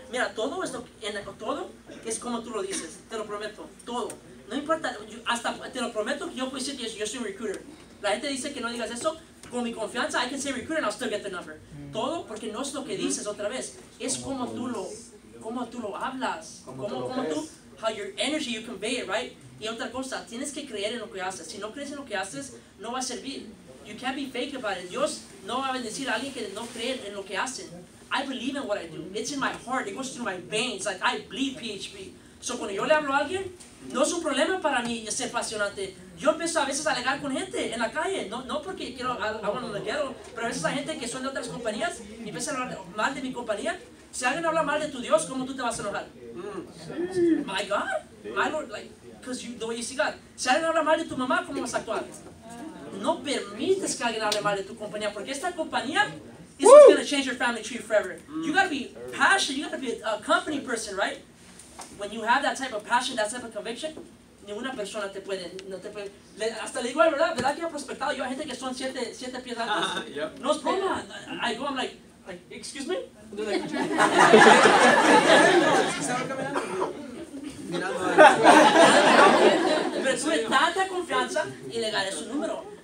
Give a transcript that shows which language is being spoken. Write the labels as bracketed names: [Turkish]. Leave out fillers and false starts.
[Spanish] Mira, todo es lo que, en, todo es como tú lo dices. Te lo prometo. Todo. No importa. Yo, hasta te lo prometo que yo puedo decir que yo soy un recruiter. La gente dice que no digas eso. Con mi confianza, [English] I can say recruiter and I'll still get the number. [Spanish] Todo porque no es lo que dices otra vez. Es como tú lo hablas. Como tú. [English] How your energy, you convey it, right? [Spanish] Y otra cosa, tienes que creer en lo que haces. Si no crees en lo que haces, no va a servir. [English] You can't be fake about it. [Spanish] Dios no va a bendecir a alguien que no cree en lo que hacen. [English] I believe in what I do. It's in my heart. It goes through my veins. Like, I bleed PHP. [Spanish] So cuando yo le hablo a alguien, no es un problema para mí ser apasionante. Yo empiezo a veces a alegar con gente en la calle. No porque quiero, [English] I want to get on. [Spanish] Pero a veces hay gente que son de otras compañías y empieza a hablar mal de mi compañía. Si alguien habla mal de tu Dios, ¿cómo tú te vas a enojar? [English] My God, my Lord, like, because the way you see God. [Spanish] Si alguien habla mal de tu mamá, ¿cómo vas a actuar? No permites que alguien hable mal de tu compañía, porque esta compañía [English] is what's going to change your family tree [Spanish] forever. [English] You got to be passionate, you got to be a company person, right? When you have that type of passion, that type of conviction, [Spanish] ninguna persona te puede, [English] no te puede. [Spanish] Hasta le digo la verdad, ¿verdad que ha prospectado? Yo a gente que son siete pies altos. [English] Yep. [Spanish] No es problema. [English] I go, I'm like, excuse me? [Spanish] Pero tuve tanta confianza y le gané su número.